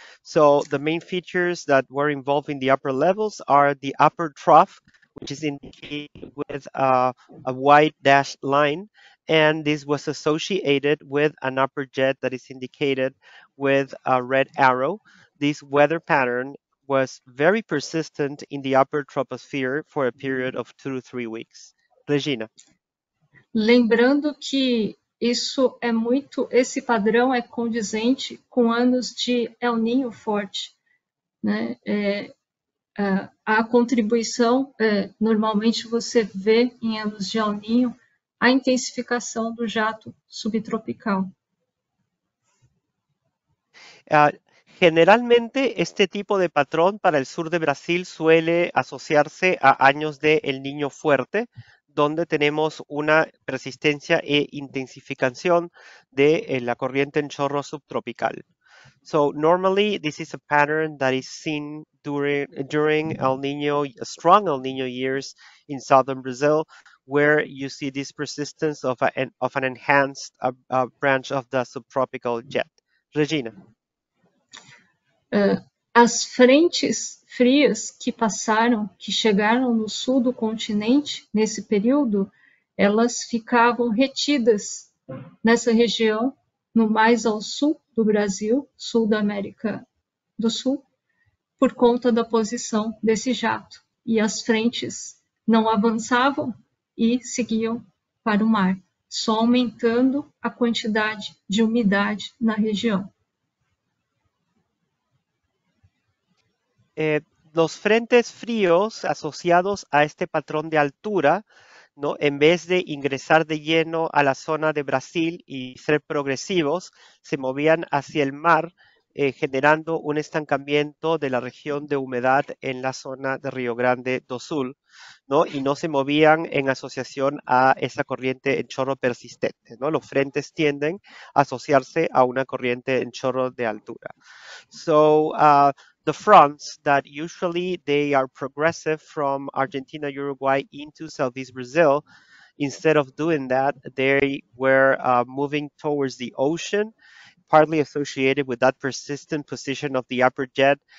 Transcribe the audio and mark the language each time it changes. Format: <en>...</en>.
<en>So the main features that were involved in the upper levels are the upper trough, which is indicated with a white dashed line. And this was associated with an upper jet that is indicated with a red arrow. This weather pattern was very persistent in the upper troposphere for a period of 2 to 3 weeks. Regina.</en> <pt>Lembrando que isso é muito, esse padrão é condizente com anos de El Niño forte, né? A contribuição, normalmente você vê em anos de El Niño, a intensificação do jato subtropical.</pt> <es>Generalmente, este tipo de patrón para el sur de Brasil suele asociarse a años de El Niño fuerte, donde tenemos una persistencia e intensificación de la corriente en chorro subtropical.</es> <en>So normally this is a pattern that is seen during El Niño, strong El Niño years in southern Brazil, where you see this persistence of an enhanced branch of the subtropical jet. Regina.</en> <pt>As frentes frias que passaram, que chegaram no sul do continente nesse período, elas ficavam retidas nessa região, no mais ao sul do Brasil, sul da América do Sul, por conta da posição desse jato. E as frentes não avançavam e seguiam para o mar, só aumentando a quantidade de umidade na região.</pt> <es>Los frentes fríos asociados a este patrón de altura, ¿no? En vez de ingresar de lleno a la zona de Brasil y ser progresivos, se movían hacia el mar, generando un estancamiento de la región de humedad en la zona de Río Grande do Sul, ¿no? Y no se movían en asociación a esa corriente en chorro persistente, ¿no? Los frentes tienden a asociarse a una corriente en chorro de altura.</es> <en>The fronts that usually they are progressive from Argentina, Uruguay into Southeast Brazil, instead of doing that, they were moving towards the ocean, partly associated with that persistent position of the upper jet.</en>